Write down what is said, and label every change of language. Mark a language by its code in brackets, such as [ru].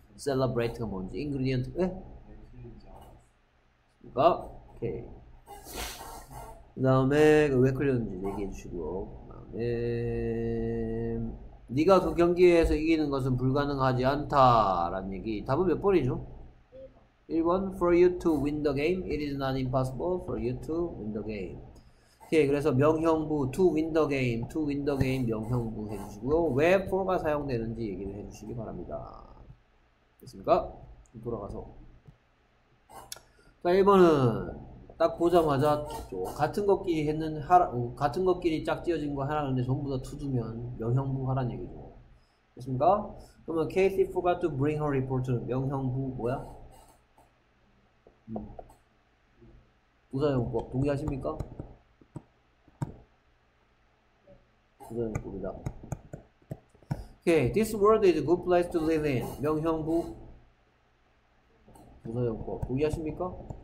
[ko] celebrate가 뭔지, ingredient, 예? 그러니까, 오케이. 그다음에 왜 끌렸는지 얘기해 주시고, 그다음에 네가 그 경기에서 이기는 것은 불가능하지 않다라는 얘기. 답은 몇 번이죠? [en] 1번, for you to win the game, it is not impossible for you to win the game. [ko] 오케이, 그래서 명형부, [en] to win the game [ko] 명형부 해주시고요. 왜 for가 사용되는지 얘기를 해주시기 바랍니다. 됐습니까? 돌아가서. 자, 1번은 딱 보자마자 같은 것끼리 했는, 하라, 같은 것끼리 짝 지어진 거 하라는데 전부 다 to면 명형부 하라는 얘기죠. 됐습니까? 그러면 [en] Katie forgot to bring her report [ko] 는 명형부 뭐야? 부사용법 동의하십니까? 부사용법이다. [en] Okay, this world is a good place to live in. [ko] 명형부 부사용법 동의하십니까?